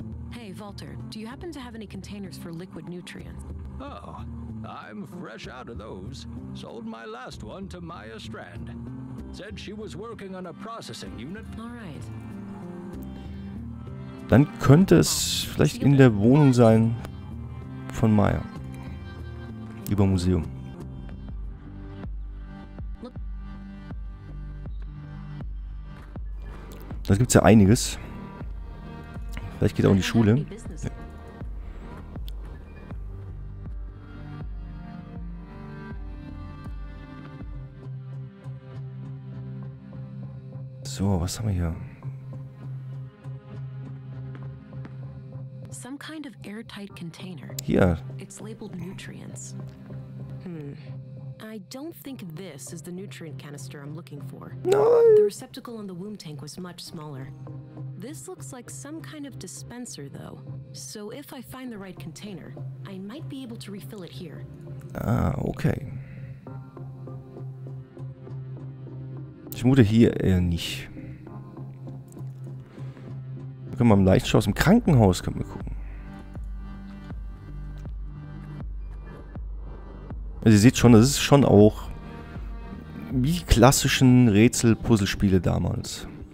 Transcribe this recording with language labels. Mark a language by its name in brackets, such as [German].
[English] Hey Walter, do you happen to have any containers for liquid nutrients? Oh, I'm fresh out of those. Sold my last one to Maya Strand. Said she was working on a processing unit. All right. [German] Dann könnte es vielleicht in der Wohnung sein von Maya. Über Museum. Da gibt es ja einiges. Vielleicht geht er auch in die Schule. Ja. So, was haben wir hier? [English] Some kind of airtight container. [German] Hier. [English] It's labeled nutrients. I don't think this is the nutrient canister I'm looking for. No. The receptacle on the womb tank was much smaller. This looks like some kind of dispenser though. So if I find the right container, I might be able to refill it here. Ah, okay. [German] Ich mute hier eher nicht. Wir können mal im Leichenschau aus dem Krankenhaus können wir gucken. Also ihr seht schon, das ist schon auch wie klassischen Rätsel-Puzzlespiele damals.